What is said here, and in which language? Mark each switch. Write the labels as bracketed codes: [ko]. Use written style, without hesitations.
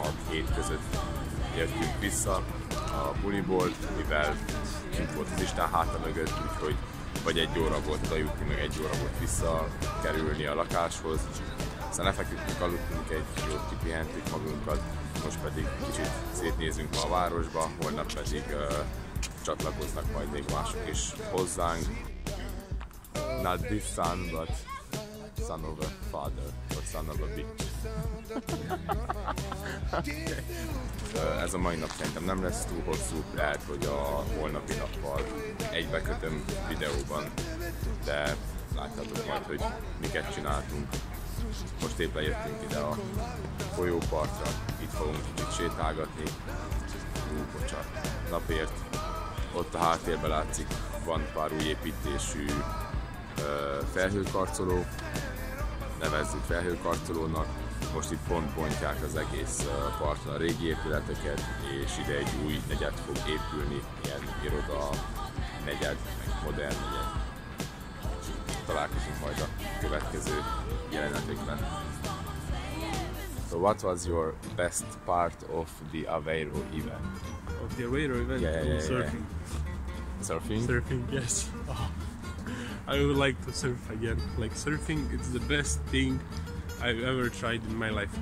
[hu] 6-7 között jöttünk vissza a buliból, mivel kint volt az Isten háta mögött, úgyhogy vagy 1 óra volt oda jutni, meg 1 óra volt vissza kerülni a lakáshoz, aztán lefeküdtünk, aludtunk, egy jót kipihentük magunkat. Most pedig kicsit szétnézünk ma a városba, holnap pedig csatlakoznak majd még mások is hozzánk. [en] Not this son, but son of a father, or son of a bitch. [hu] Ez a mai nap szerintem nem lesz túl hosszú, lehet, hogy a holnapi nappal egybekötöm videóban, de láthatok majd, hogy miket csináltunk. Most éppen jöttünk ide a folyópartra, itt fogunk kicsit sétálgatni. Bocsánat, napért. Ott a háttérben látszik, van pár új építésű felhőkarcoló. Nevezzük felhőkarcolónak. Most itt pont bontják az egész parton a régi épületeket, és ide egy új negyed fog épülni. Ilyen iroda negyed, meg modern negyed. Találkozunk majd a következő jelenetekben. [en] So what was your best part of the Aveiro event? Of the Aveiro event? Yeah. Surfing? Surfing, yes. Oh, I would like to surf again. Like surfing, it's the best thing I've ever tried in my life.